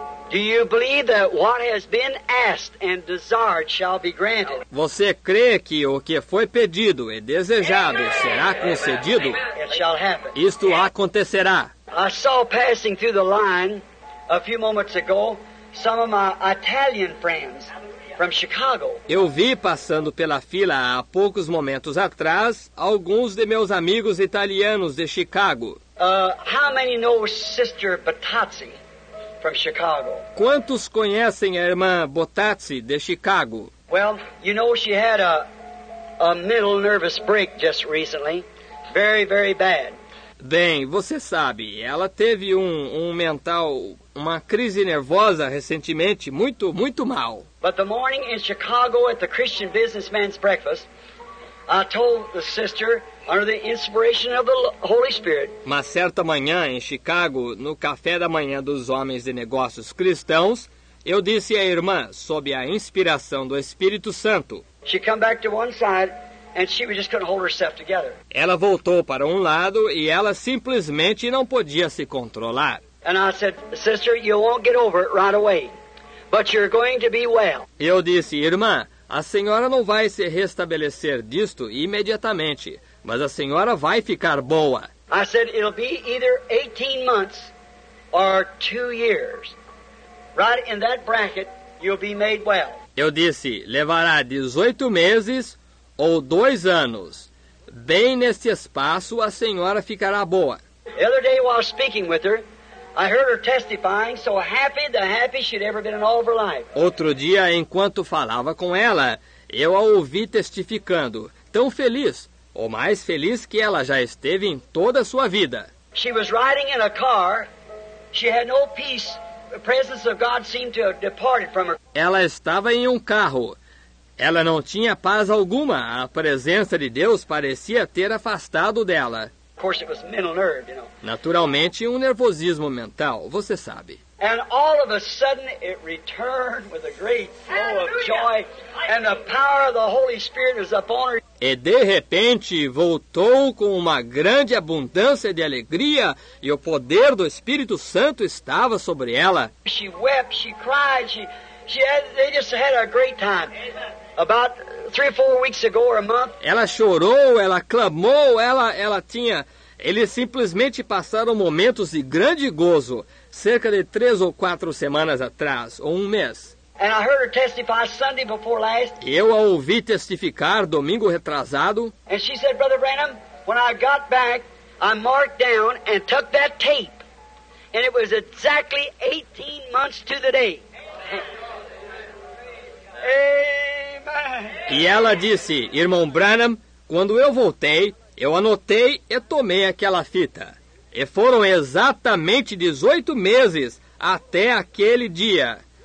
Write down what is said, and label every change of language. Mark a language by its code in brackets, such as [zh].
[en] Do you believe that what has been asked and desired shall be granted? [pt] Você crê que o que foi pedido e desejado será concedido? [en] It shall happen. [pt] Isto acontecerá. [en] I saw passing through the line a few moments ago some of my Italian friends from Chicago. [pt] Eu vi passando pela fila há poucos momentos atrás alguns de meus amigos italianos de Chicago. [en] How many know Sister Batazzi from Chicago? [pt] Quantos conhecem a irmã Batazzi de Chicago? [en] Well, you know she had a middle nervous break just recently, very very bad. [pt] Bem, você sabe, ela teve um mental, uma crise nervosa recentemente, muito, muito mal. [en] But the morning in Chicago at the Christian businessman's breakfast, I told the sister, under the inspiration of the Holy Spirit. [pt] Mas certa manhã em Chicago, no café da manhã dos homens de negócios cristãos, eu disse à irmã, sob a inspiração do Espírito Santo. [en] She came back to one side. And she just couldn't hold herself together. [pt] Ela voltou para um lado e ela simplesmente não podia se controlar. [en] And I said, "Sister, you won't get over it right away, but you're going to be well." [pt] Eu disse, irmã, a senhora não vai se restabelecer disto imediatamente, mas a senhora vai ficar boa. [en] I said, "It'll be either 18 months or 2 years. Right in that bracket, you'll be made well." [pt] Eu disse, levará 18 meses ou 2 anos. Bem neste espaço, a senhora ficará boa. [en] The other day while speaking with her, I heard her testifying, so happy the happiest she'd ever been in all of her life. [pt] Outro dia, enquanto falava com ela, eu a ouvi testificando, tão feliz, ou mais feliz que ela já esteve em toda a sua vida. [en] She was riding in a car, she had no peace, the presence of God seemed to have departed from her. [pt] Ela estava em um carro. Ela não tinha paz alguma. A presença de Deus parecia ter afastado dela. [en] Of course it was mental nerve, you know. [pt] Naturalmente, um nervosismo mental, você sabe. [en] And all of a sudden it returned with a great flow of joy and the power of the Holy Spirit was upon her. [pt] E de repente voltou com uma grande abundância de alegria e o poder do Espírito Santo estava sobre ela. [en] She wept, she cried, they just had a great time. About 3 or 4 weeks ago or a month. [pt] Ela chorou, ela clamou, eles simplesmente passaram momentos de grande gozo cerca de 3 ou 4 semanas atrás, ou um mês. [en] And I heard her testify Sunday before last. [pt] Eu a ouvi testificar domingo retrasado. [en] And she said, "Brother Branham, when I got back, I marked down and took that tape. And it was exactly 18 months to the day." Amen. [pt] E ela disse: irmão Branham, quando eu voltei, eu anotei e tomei aquela fita. E foram exatamente 18 meses até aquele dia.